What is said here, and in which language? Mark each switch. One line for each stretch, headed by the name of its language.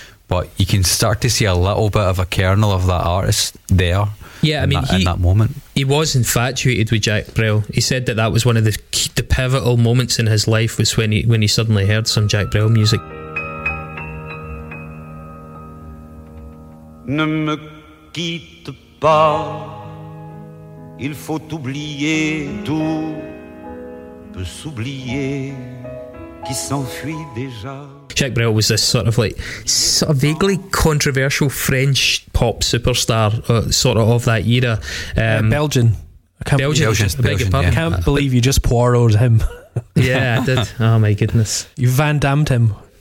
English: But you can start to see a little bit of a kernel of that artist there. Yeah, I mean, in that moment, he was infatuated with Jacques Brel. He said that that was one of the pivotal moments in his life, was when he suddenly heard some Jacques Brel music.
French: Ne me quitte pas, il faut oublier tout, peut s'oublier qui s'enfuit déjà.
English: Jacques Brel was this sort of vaguely controversial French pop superstar, sort of that era. Belgian. Belgian. I can't believe you just Poirot'd him. Yeah, I did. Oh my goodness. You Van Damme'd him.